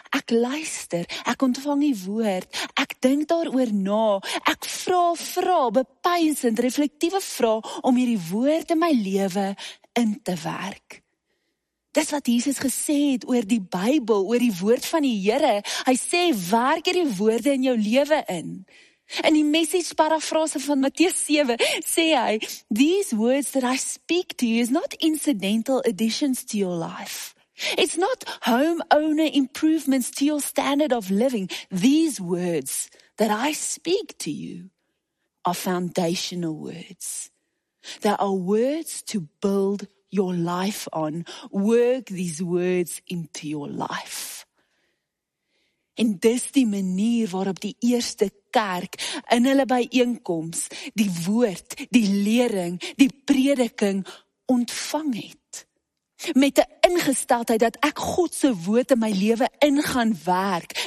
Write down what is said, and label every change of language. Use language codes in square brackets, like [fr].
[af] Ek luister, ek ontvang die woord, ek dink daaroor na, ek vra, bepeinsend, reflektiewe vra om hierdie woord in my lewe in te werk. Dis wat Jesus gesê het oor die Bybel, oor die woord van die Here. Hy sê, werk hierdie woorde in jou lewe in. In die Message parafrase van Matteus 7 sê hy, [en] these words that I speak to you is not incidental additions to your life. It's not homeowner improvements to your standard of living. These words that I speak to you are foundational words. They are words to build your life on, work these words into your life. [af] En dis die manier waarop die eerste kerk in hulle byeenkoms die woord, die lering, die prediking ontvang het. Met 'n ingesteldheid dat ek God se woord in my lewe ingaan werk.